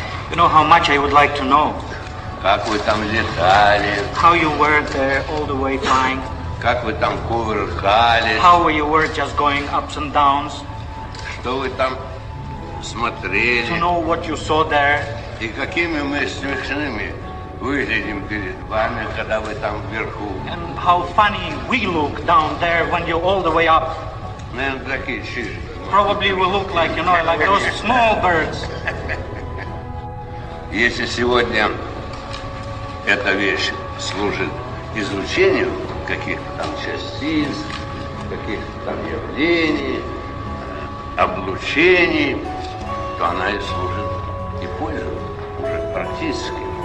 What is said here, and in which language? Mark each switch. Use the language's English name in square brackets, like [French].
[English] You know how much I would like to know. [Russian] Как вы там летали? [English] How you were there all the way flying? [Russian] Как вы там кувыркались? [English] How were you were just going ups and downs? [Russian] Что вы там смотрели? [English] To know what you saw there. [Russian] И какими мы смешными выглядим перед вами, когда вы там вверху? [English] And how funny we look down there when you're all the way up. [Russian] Наверное, такие чижи. [English] Probably we look like, you know, like those small birds. [Russian] Если сегодня эта вещь служит излучению каких-то там частиц, каких-то там явлений, облучений, то она и служит и пользует уже практически.